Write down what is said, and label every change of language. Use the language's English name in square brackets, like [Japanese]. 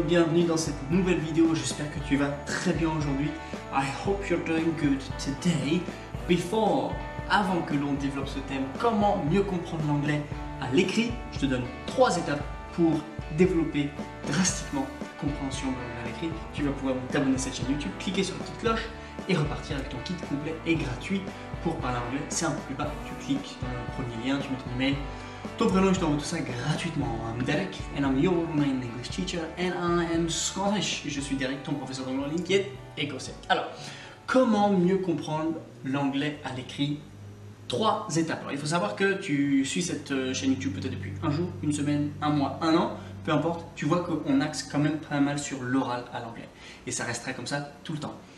[French] Bienvenue dans cette nouvelle vidéo. J'espère que tu vas très bien aujourd'hui. [English] I hope you're doing good today. [French] Avant que l'on développe ce thème, comment mieux comprendre l'anglais à l'écrit, je te donne 3 étapes pour développer drastiquement compréhension de l'anglais à l'écrit. Tu vas pouvoir t'abonner à cette chaîne YouTube, cliquer sur la petite cloche et repartir avec ton kit complet et gratuit pour parler anglais. C'est un peu plus bas, tu cliques dans le premier lien, tu mets ton email, ton prénom, je t'envoie tout ça gratuitement. [English] I'm Derek and I'm your main English teacher and I am Scottish. [French] Je suis Derek, ton professeur d'anglais en ligne qui est écossais. Alors, comment mieux comprendre l'anglais à l'écrit? 3 étapes. Alors, il faut savoir que tu suis cette chaîne YouTube peut-être depuis un jour, une semaine, un mois, un an, peu importe. Tu vois qu'on axe quand même pas mal sur l'oral à l'anglais. Et ça restera comme ça tout le temps.